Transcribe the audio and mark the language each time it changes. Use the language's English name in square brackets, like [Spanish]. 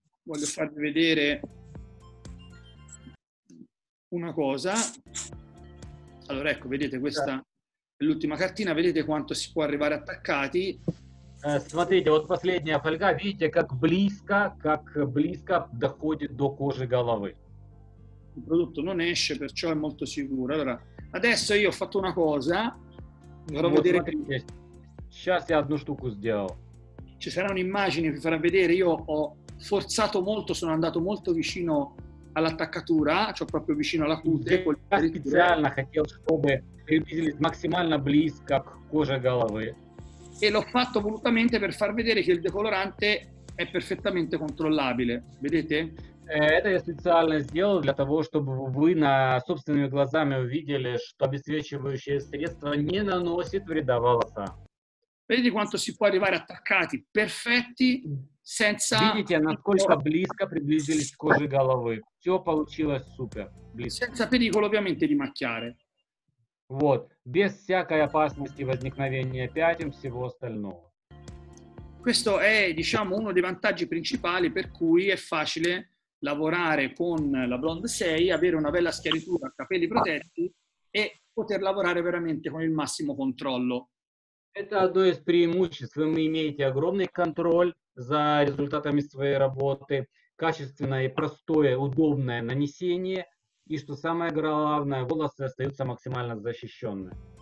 [Italian] Voglio farvi vedere una cosa. Allora, ecco, vedete, questa è l'ultima картина. Vedete quanto si può arrivare attaccati. [Russian] Смотрите, вот последняя фольга. Видите, как близко доходит до кожи головы. [Italian] Il prodotto non esce, perciò è molto sicuro. Allora, adesso io ho fatto una cosa. Dovrò vedere. [Russian] Сейчас я одну штуку сделал. [Italian] Ci sarà un'immagine che vi farà vedere. Io ho forzato molto, sono andato molto vicino all'attaccatura, cioè proprio vicino alla cute. [Russian] Специально хотел, чтобы приблизились максимально близко к коже головы. [Italian] E l'ho fatto volutamente per far vedere che il decolorante è perfettamente controllabile. Vedete? [Russian] Это я специально сделал для того, чтобы вы на собственными глазами увидели, что обесцвечивающее средство не наносит вреда волосам. [Italian] Vedete quanto si può arrivare attaccati perfetti senza. [Russian] Видите, насколько близко приблизились к коже головы. Все получилось супер. Близко. [Italian] Senza pericolo ovviamente di macchiare. [Russian] Вот, без всякой опасности возникновения пятен всего остального. [Italian] Questo è, diciamo, uno dei vantaggi principali per cui è facile lavorare con la Blonde 6, avere una bella schiaritura, capelli protetti e poter lavorare veramente con il massimo controllo. [Russian] Это одно из преимуществ. Вы имеете огромный контроль за результатами своей работы, качественное, простое, удобное нанесение. И что самое главное, волосы остаются максимально защищенными.